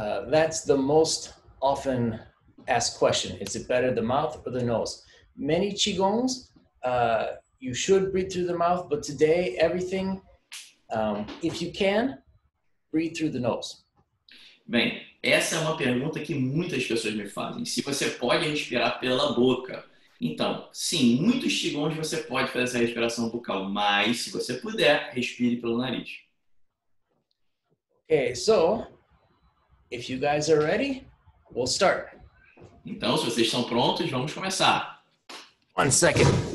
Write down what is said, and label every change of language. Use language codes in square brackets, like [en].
[en] That's the most often asked question. Is it better the mouth or the nose? Many Qigongs you should breathe through the mouth, but today everything, if you can, breathe through the nose. [pt] Bem, essa é uma pergunta que muitas pessoas me fazem. Se você pode respirar pela boca? Então, sim, muitos qigongs você pode fazer essa respiração bucal, mas se você puder, respire pelo nariz. [en] Okay, so, if you guys are ready, we'll start. [pt] Então, se vocês estão prontos, vamos começar. [en] One second.